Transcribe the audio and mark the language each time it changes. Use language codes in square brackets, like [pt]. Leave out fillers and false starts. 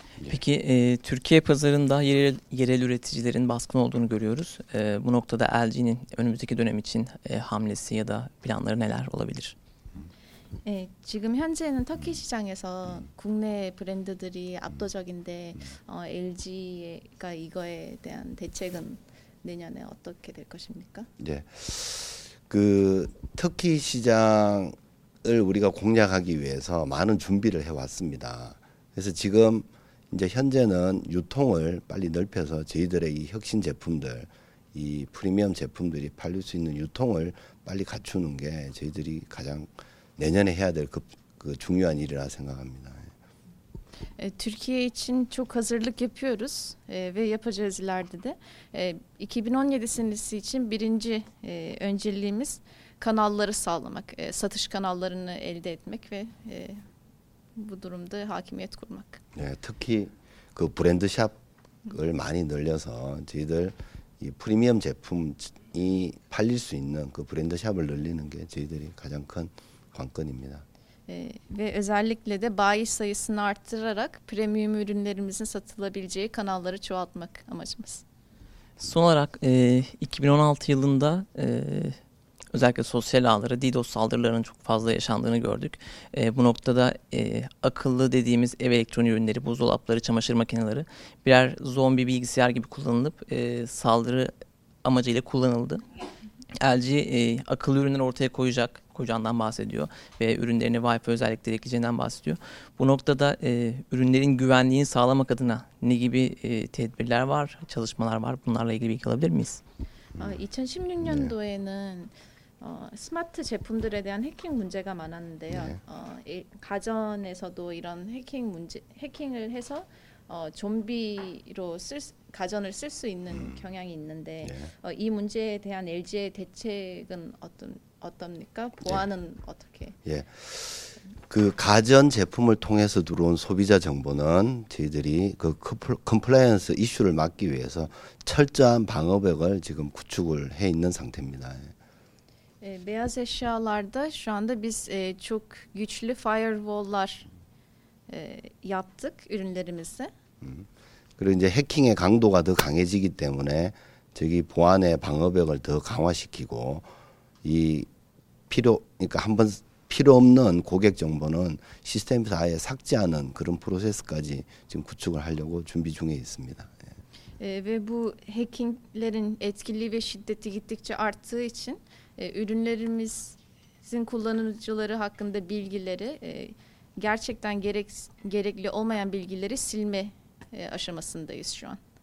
[tr] Peki Türkiye pazarında yerel üreticilerin baskın olduğunu görüyoruz. Bu noktada LG'nin önümüzdeki dönem için hamlesi ya da planları neler olabilir? [ko] 지금 현재는 터키 시장에서 국내 브랜드들이 압도적인데 LG가 이거에 대한 대책은 내년에 어떻게 될 것입니까? 네. 그 터키 시장을 우리가 공략하기 위해서 많은 준비를 해왔습니다. 그래서 지금 이제 현재는 유통을 빨리 넓혀서 저희들의 이 혁신 제품들, 이 프리미엄 제품들이 팔릴 수 있는 유통을 빨리 갖추는 게 저희들이 가장 내년에 해야 될 그 중요한 일이라 생각합니다. [tr] Türkiye için çok hazırlık yapıyoruz ve yapacağız ileride de. 2017 senesi için birinci önceliğimiz kanalları sağlamak, satış kanallarını elde etmek ve bu durumda hakimiyet kurmak. [ko] 네, 특히 그 브랜드 샵을 많이 늘려서 저희들 이 프리미엄 제품이 팔릴 수 있는 그 브랜드 샵을 늘리는 게 저희들이 가장 큰 관건입니다. 네, 네. [tr] özellikle de bayi sayısını arttırarak premium ürünlerimizin satılabileceği kanalları çoğaltmak amacımız. Son olarak 2016 yılında özellikle sosyal ağlara DDoS saldırılarının çok fazla yaşandığını gördük. Bu noktada akıllı dediğimiz ev elektronik ürünleri, buzdolapları, çamaşır makineleri birer zombi bilgisayar gibi kullanılıp saldırı amacıyla kullanıldı. LG akıllı ürünler ortaya koyacağından bahsediyor ve ürünlerine Wi-Fi özellikleri ekleyeceğinden bahsediyor. Bu noktada ürünlerin güvenliğini sağlamak adına ne gibi tedbirler var, çalışmalar var? Bunlarla ilgili bilgi alabilir miyiz? [ko] 2016 년도에는 스마트 제품들에 대한 해킹 문제가 많았는데요. 가정에서도 이런 해킹을 해서 좀비로 가전을 쓸수 있는 경향이 있는데 이 문제에 대한 LG의 대책은 어떻습니까? 보안은 어떻게? 예. 그 가전 제품을 통해서 들어온 소비자 정보는 저희들이 그 컴플라이언스 이슈를 막기 위해서 철저한 방어벽을 지금 구축을 해 있는 상태입니다. [tr] beyaz eşyalarda şu anda biz çok güçlü firewall'lar yaptık ürünlerimizi. [ko] 그리고 이제 해킹의 강도가 더 강해지기 때문에 저기 보안의 방어벽을 더 강화시키고 이 그러니까 한번 필요 없는 고객 정보는 시스템에서 아예 삭제하는 그런 프로세스까지 지금 구축을 하려고 준비 중에 있습니다. [tr] ve bu hackinglerin etkili ve şiddeti gittikçe arttığı için ürünlerimizin kullanıcıları hakkında bilgileri gerçekten gerekli olmayan bilgileri silme aşamasındayız şu an.